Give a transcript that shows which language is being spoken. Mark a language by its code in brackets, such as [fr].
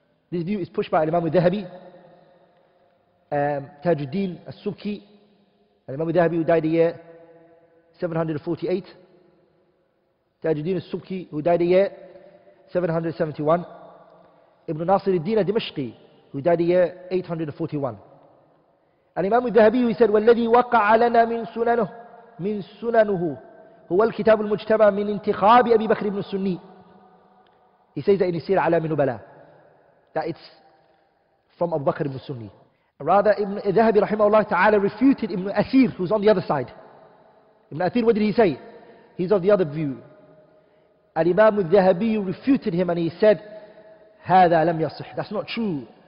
[en] This view is pushed by Al-Imam al-Dhahabi, Tajuddin al-Subki. Al-Imam al-Dhahabi, who died the year 748. Tajuddin al-Subki, who died the year 771. Ibn Nasir al-Din al-Dimashqi, who died the year 841. Al-Imam al-Dhahabi, who said, [ar] وَالَّذِي وَقَعَ لَنَا مِن سُنَنُهُ هُوَ الْكِتَابُ الْمُجْتَمَى مِنْ انْتِخَابِ أَبِي بَكْرِ بْنُ السُنِّي. [en] He says that in Isir Alam al-Nubala, that it's from Abu Bakr ibn Sunni. Rather, Ibn al-Dhahabi, rahimahullah ta'ala, refuted Ibn Athir, who's on the other side. Ibn Athir, what did he say? He's of the other view. Al-Imam al-Dhahabi refuted him and he said, [ar] هذا لم يصح. [en] That's not true.